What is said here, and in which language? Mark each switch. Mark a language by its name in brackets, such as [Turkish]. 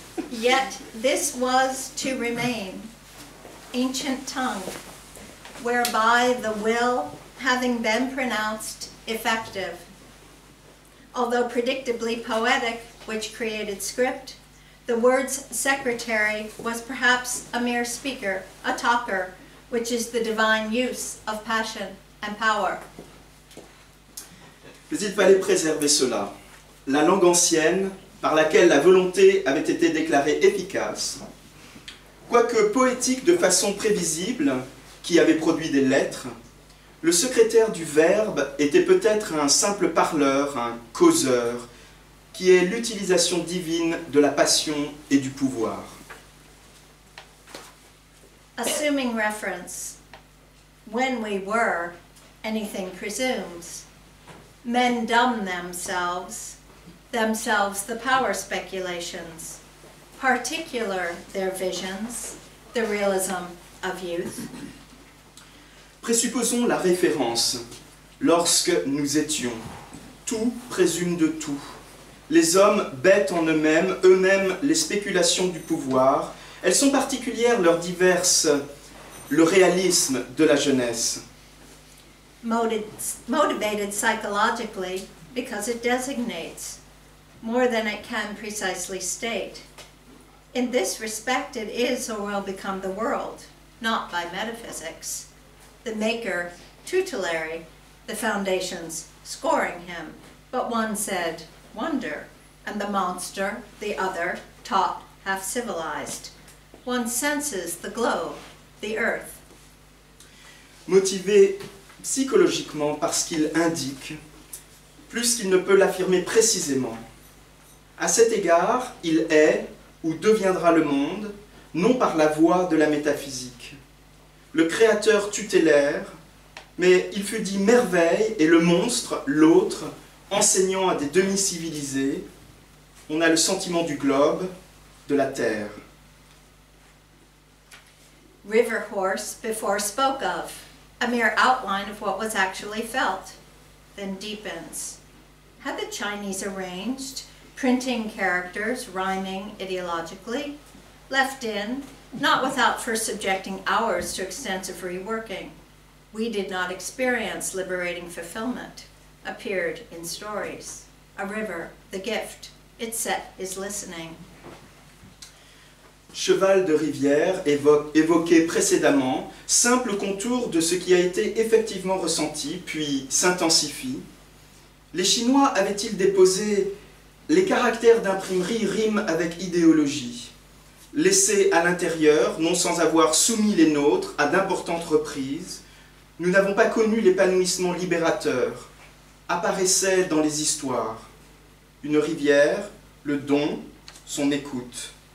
[English] Yet this was to remain, ancient tongue, whereby the will having been pronounced effective. Although predictably poetic, which created script, the word's secretary was perhaps a mere speaker, a talker, which is the divine use of passion and power. [French] Mais il fallait préserver cela. La langue ancienne, par laquelle la volonté avait été déclarée efficace, quoique poétique de façon prévisible, qui avait produit des lettres, le secrétaire du verbe était peut-être un simple parleur, un causeur, qui est l'utilisation divine de la passion et du pouvoir. [English] Assuming reference, when we were, anything presumes, men dumb themselves the power speculations, particular their visions, the realism of youth. [French] Présupposons la référence. Lorsque nous étions, tout présume de tout. Les hommes bêtent en eux-mêmes les spéculations du pouvoir. Elles sont particulières leurs diverses, le réalisme de la jeunesse. [English] Motivated psychologically because it designates more than it can precisely state. In this respect, it is or will become the world, not by metaphysics. The maker, tutelary, the foundations scoring him. But one said, wonder, and the monster, the other, taught, half civilized. One senses the globe, the earth. [French] Motivé psychologiquement parce qu'il indique, plus qu'il ne peut l'affirmer précisément. À cet égard, il est ou deviendra le monde, non par la voie de la métaphysique. Le créateur tutélaire, mais il fut dit merveille et le monstre, l'autre, enseignant à des demi-civilisés, on a le sentiment du globe, de la terre. [English] River horse before spoke of, a mere outline of what was actually felt, then deepens. Had the Chinese arranged printing characters rhyming ideologically, left in, not without first subjecting ours to extensive reworking. We did not experience liberating fulfillment, appeared in stories. A river, the gift, its set is listening. [French] Cheval de rivière évoqué précédemment, simple contour de ce qui a été effectivement ressenti, puis s'intensifie. Les Chinois avaient-ils déposé les caractères d'imprimerie riment avec idéologie, laissés à l'intérieur, non sans avoir soumis les nôtres à d'importantes reprises, nous n'avons pas connu l'épanouissement libérateur, apparaissait dans les histoires, une rivière, le don, son écoute.